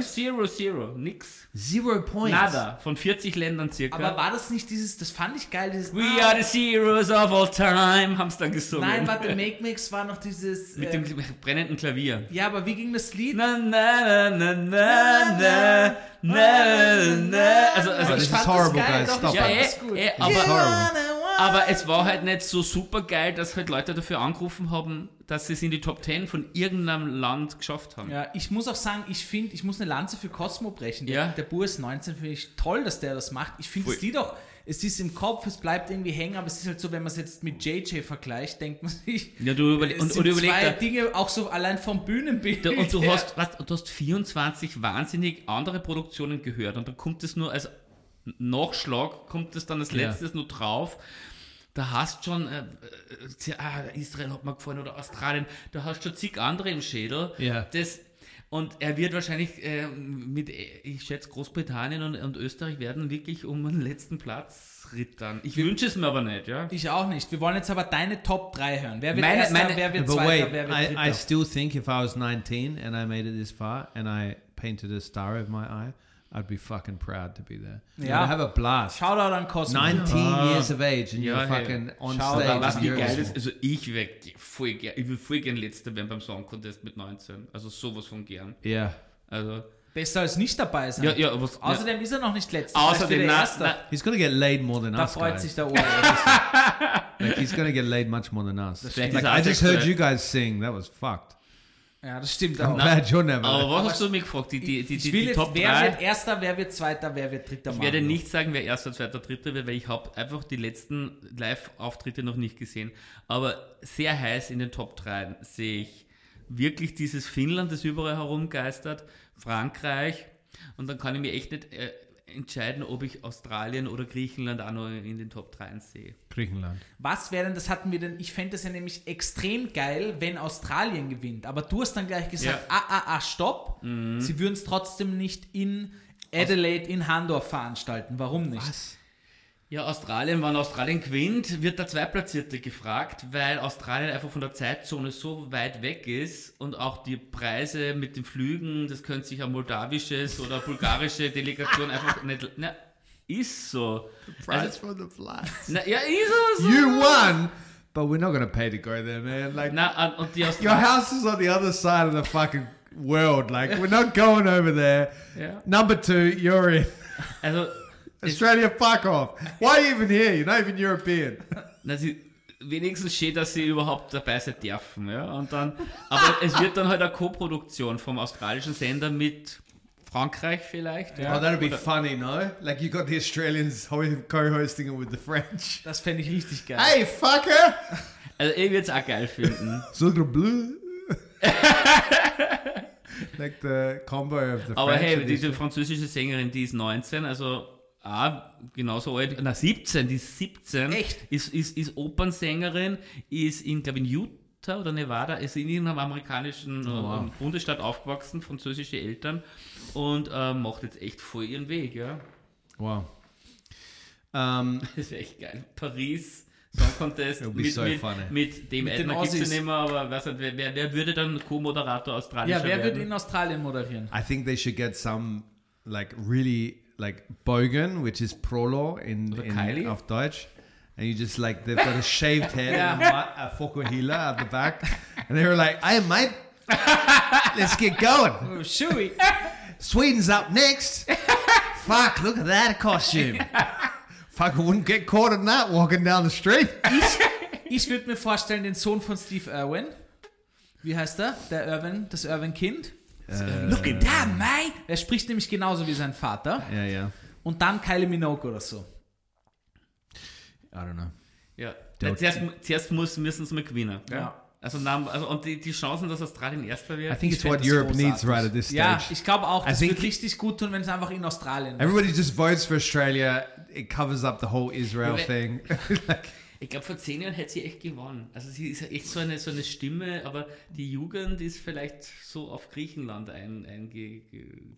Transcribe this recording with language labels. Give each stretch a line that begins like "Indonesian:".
English: Zero, zero,
German: nix.
English: 0 points.
German: Nada, von 40 Ländern circa. Aber war das nicht dieses, das fand ich geil, dieses...
English: We are the zeros of all time,
German: haben sie dann gesungen. Nein, warte, Make-Mix war noch dieses... Mit dem brennenden Klavier. Ja, aber wie ging das Lied? Na, na, na, na, na, na, na, na, also,
English: oh, this is horrible, guys, stop it.
German: Aber es war halt nicht so super geil, dass halt Leute dafür angerufen haben, dass sie es in die Top 10 von irgendeinem Land geschafft haben. Ja, ich muss auch sagen, ich finde, ich muss eine Lanze für Cosmo brechen. Ja. Der Buhr 19 finde ich toll, dass der das macht. Ich finde es doch, es ist im Kopf, es bleibt irgendwie hängen, aber es ist halt so, wenn man es jetzt mit JJ vergleicht, denkt man sich, ja, du überleg zwei Dinge auch so allein vom Bühnenbild. Und du hast, du hast 24 wahnsinnig andere Produktionen gehört und dann kommt es nur als Nachschlag, kommt es dann als letztes nur drauf. Da hast du schon, Israel hat mir gefallen oder Australien, da hast du schon zig andere im Schädel. Ja. Das, und er wird wahrscheinlich mit, ich schätze, Großbritannien und Österreich werden wirklich um den letzten Platz rittern. Ich wünsche es mir aber nicht, ja? Ich auch nicht. Wir wollen jetzt aber deine Top 3 hören. Wer wird Erster, wer wird Zweiter, wer wird Dritter?
English: I still think if I was 19 and I made it this far and I painted a star of my eye, I'd be fucking proud to be there. Yeah. I'd have a blast. Shout out
German: an
English: Cosmo. 19 years of age and you're fucking on stage.
German: Was wie geil ist. Also ich wäre voll gern, ich würde voll gern Letzter werden beim Song Contest mit 19. Also sowas von gern. Ja.
English: Yeah.
German: Also. Besser als nicht dabei sein. Ja, ja, was, außerdem ist er noch nicht Letzter. Außerdem,
English: he's gonna get laid more than
German: da
English: us.
German: Da freut
English: guys.
German: Sich der Ohr.
English: Like he's gonna get laid much more than us. Like, I just heard you guys sing. That was fucked.
German: Ja, das stimmt. Aber was hast du mich gefragt? Die Top 3? Wer wird Erster, wer wird Zweiter, wer wird Dritter? Ich werde nicht sagen, wer Erster, Zweiter, Dritter wird, weil ich habe einfach die letzten Live-Auftritte noch nicht gesehen. Aber sehr heiß in den Top 3 sehe ich wirklich dieses Finnland, das überall herumgeistert, Frankreich. Und dann kann ich mir echt nicht entscheiden, ob ich Australien oder Griechenland auch noch in den Top 3 sehe. Griechenland. Was wäre denn, das hatten wir denn, ich fände das ja nämlich extrem geil, wenn Australien gewinnt, aber du hast dann gleich gesagt, stopp, sie würden es trotzdem nicht in Adelaide, in Handorf veranstalten. Warum nicht? Was? Ja, Australien, wenn Australien gewinnt, wird der Zweitplatzierte gefragt, weil Australien einfach von der Zeitzone so weit weg ist und auch die Preise mit den Flügen, das könnte sich eine moldawische oder bulgarische Delegation einfach nicht... Na, ist so.
English: The price also, for the flights.
German: Na, ja, ist so.
English: You won, but we're not going to pay to go there, man. Like,
German: na, und die
English: your house is on the other side of the fucking world. Like, we're not going over there. Yeah. Number two, you're in.
German: Also...
English: Australia, fuck off. Why are you even here? You're not even European.
German: Na, sie, wenigstens schön, dass sie überhaupt dabei sein dürfen. Ja? Und dann, aber es wird dann halt eine Co-Produktion vom australischen Sender mit Frankreich vielleicht. Ja.
English: Oh, that'll be funny, no? Like you got the Australians co-hosting it with the French.
German: Das fände ich richtig geil.
English: Hey, fucker!
German: Also ich würde es auch geil finden. So der Blue.
English: Like the combo of the French.
German: Aber hey, diese französische Sängerin, die ist 19, also... Ah, genauso alt. Na, 17, die ist 17. Echt? Ist Opernsängerin, ist in, glaube ich, Utah oder Nevada, ist in irgendeinem amerikanischen Bundesstaat aufgewachsen, französische Eltern und macht jetzt echt voll ihren Weg, ja. Wow. Das wäre echt geil. Paris, Song Contest mit dem Edna gibt's ja nicht mehr, aber was, wer würde dann Co-Moderator Australischer werden? Ja, wer würde in Australien moderieren?
English: I think they should get some like really like Bogan, which is
German: Prolo in auf Deutsch.
English: And you just like, they've got a shaved head and a fokuhila at the back. And they were like, I am Mike. Let's get going. Shooey. Sweden's up next. Fuck, look at that costume. Fuck, I wouldn't get caught in that walking down the street.
German: Ich würde mir vorstellen, den Sohn von Steve Irwin. Wie heißt er? Der Irwin, das Irwin-Kind.
English: Look at that, mate.
German: Er spricht nämlich genauso wie sein Vater. Ja, yeah, ja. Yeah. Und dann Kylie Minogue oder so.
English: I don't know.
German: Ja. Zuerst müssen sie mal gewinnen. Ja. Also und die Chancen, dass Australien Erster wird.
English: I think it's what Europe needs right at this stage.
German: Ja, ich glaube auch, es wird richtig gut tun, wenn es einfach in Australien ist.
English: Everybody just votes for Australia. It covers up the whole Israel thing.
German: Ich glaube, vor 10 Jahren hätte sie echt gewonnen. Also sie ist echt so eine Stimme, aber die Jugend ist vielleicht so auf Griechenland eingegangen.